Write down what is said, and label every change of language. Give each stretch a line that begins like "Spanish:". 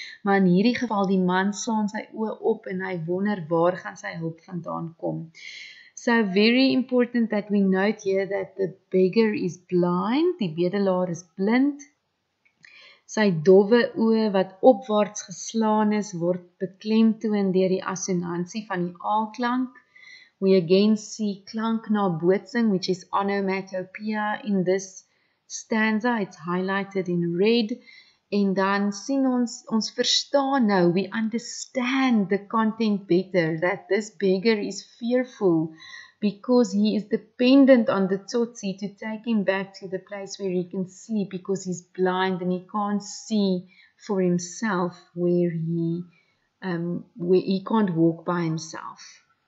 Afrikaans: Maar in hierdie geval, die man slaan sy oë op en hy wonder waar gaan sy hulp vandaan kom.
English: So very important that we note here that the beggar is blind,
Afrikaans: die bedelaar is blind. Sy dowwe oë wat opwaarts geslaan is, word beklemtoon deur die assonansie van die A-klank.
English: We again see klank nabootsing, which is onomatopoeia in this stanza. It's highlighted in red.
Afrikaans: En dan sien ons verstaan nou,
English: we understand the content better, that this beggar is fearful because he is dependent on the tsotsi to take him back to the place where he can sleep because he's blind and he can't see for himself where he can't walk by himself.